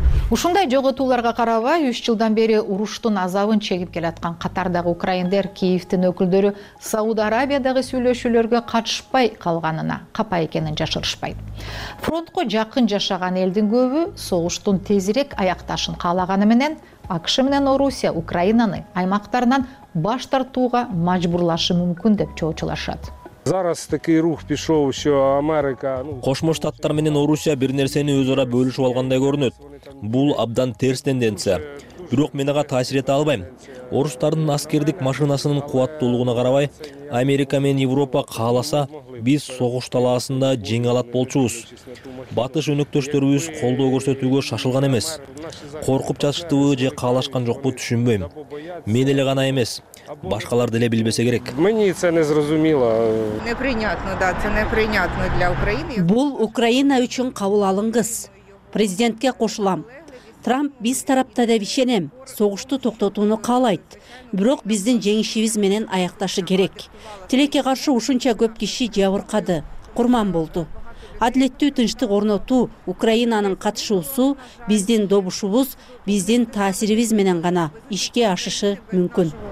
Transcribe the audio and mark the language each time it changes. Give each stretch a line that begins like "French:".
Kyrgyz: Ушундай жоготууларга карабай, 3 жылдан бери уруштун азабын чегип келаткан Катардагы украиндер Киевтин өкүлдөрү Сауд Арабиядагы сүйлөшүүлөргө катышпай калганына капа экенин жашырышпайт. Фронтко жакын жашаган элдин көбү согуштун тезирээк аякташын каалаганы менен АКШ менен Орусия Украинаны аймактарынан баш тартууга мажбурлашы мүмкүн деп чоочулашат.
Ukrainian: Зараз такий рух пішов, що Америка,
Kyrgyz: Кошмо Штаттар менен Орусия бир нерсени өз ара бөлүшүп алгандай көрүнөт. Бул абдан терс тенденция. Бирок мен ага таасир эте албайм. Орустардын аскердик машинасынын кубаттуулугуна карабай, Америка менен Европа кааласа, биз согуш талаасында жеңе алат болчубуз. Батыш өнөктөштөрүбүз колдоо көрсөтүүгө шашылган эмес. Коркуп жатышты же каалашкан жокпу түшүнбөйм. Мен эле гана эмес, башкалар деле билбесе керек.
Russian: Мне это не зрозумело. Неприятно, да, это неприятно для Украины.
Kyrgyz: Бул Украина үчүн кабыл алыңгыз. Президентке кошулам. Трамп биз тарапта деп ишенем, согушту токтотууну каалайт. Бирок биздин жеңишибиз менен аякташы керек. Тилекке каршы ушунча көп киши жабыркады, курман болду. Адилеттүү тынчтык орнотуу Украинанын катышуусу биздин добушубуз, биздин таасирибиз менен гана ишке ашышы мүмкүн.